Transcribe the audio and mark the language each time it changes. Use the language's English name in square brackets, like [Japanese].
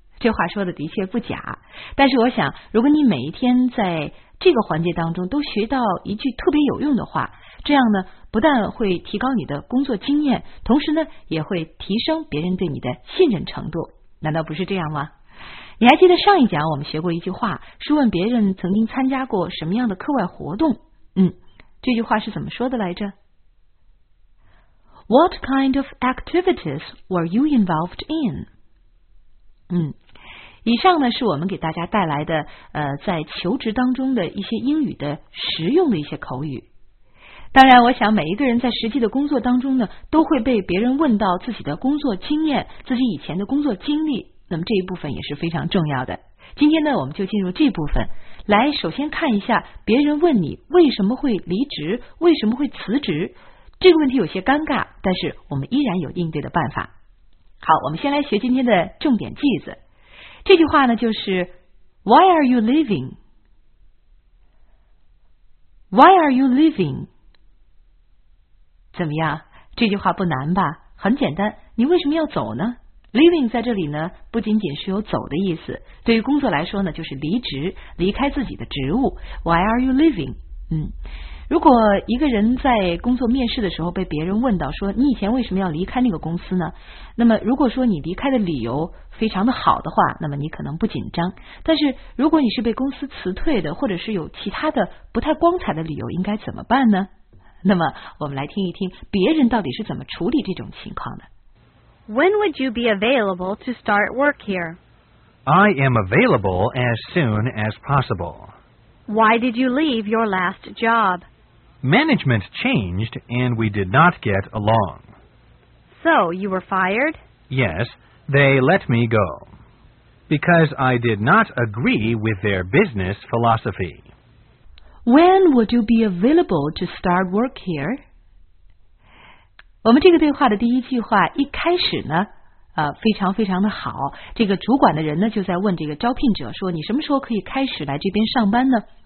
[Chinese] 这话说的的确不假，但是我想如果你每一天在这个环节当中都学到一句特别有用的话，这样呢不但会提高你的工作经验，同时呢也会提升别人对你的信任程度，难道不是这样吗？你还记得上一讲我们学过一句话，是问别人曾经参加过什么样的课外活动。这句话是怎么说的来着？ [English] What kind of activities were you involved in? [Chinese] 以上呢是我们给大家带来的在求职当中的一些英语的实用的一些口语。当然我想每一个人在实际的工作当中呢都会被别人问到自己的工作经验，自己以前的工作经历，那么这一部分也是非常重要的。今天呢我们就进入这部分来，首先看一下别人问你为什么会离职，为什么会辞职，这个问题有些尴尬，但是我们依然有应对的办法。好，我们先来学今天的重点句子。这句话呢，就是 [English] Why are you leaving? Why are you leaving? [Chinese] 怎么样？这句话不难吧？很简单，你为什么要走呢？Leaving 在这里呢，不仅仅是有走的意思，对于工作来说呢，就是离职，离开自己的职务。 [English] Why are you leaving? [Chinese] 如果一个人在工作面试的时候被别人问到说，你以前为什么要离开那个公司呢？那么如果说你离开的理由非常的好的话，那么你可能不紧张。但是如果你是被公司辞退的，或者是有其他的不太光彩的理由，应该怎么办呢？那么我们来听一听别人到底是怎么处理这种情况的。 [English] When would you be available to start work here? I am available as soon as possible. Why did you leave your last job? Management changed and we did not get along. So, you were fired? Yes, they let me go. Because I did not agree with their business philosophy. When would you be available to start work here? [Chinese] 我们这个对话的第一句话一开始呢非常非常的好。这个主管的人呢，就在问这个招聘者说，你什么时候可以开始来这边上班呢？